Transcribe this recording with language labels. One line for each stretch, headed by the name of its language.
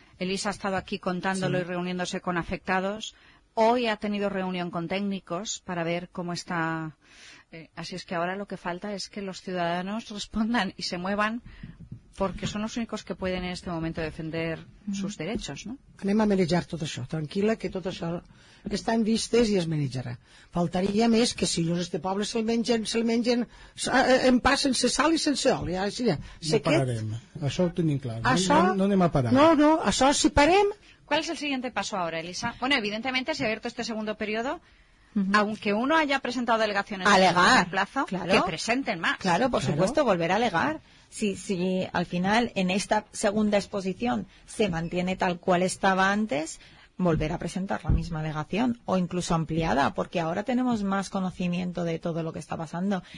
Spanish: Elisa ha estado aquí contándolo, sí, y reuniéndose con afectados. Hoy ha tenido reunión con técnicos para ver cómo está. Así es que ahora lo que falta es que los ciudadanos respondan y se muevan, porque son los únicos que pueden en este momento defender sus derechos, ¿no?
Catalan: Anem a manejar tot això. Tranquil·la, que tot això està en vistes i es manejarà. Faltaria més que si els este poble se'l mengen en pa, sense sal i sense oli. Així, no pararem. Això ho tenim clar. Això, no anem a parar. No, això si parem...
Spanish: ¿Cuál es el siguiente paso ahora, Elisa? Bueno, evidentemente, si ha abierto este segundo periodo, uh-huh, aunque uno haya presentado delegaciones alegar, en el plazo, claro, que presenten más. Claro, por supuesto, volver a alegar. Si al final en esta segunda exposición se mantiene tal cual estaba antes, volver a presentar la misma alegación o incluso ampliada, porque ahora tenemos más conocimiento de todo lo que está pasando.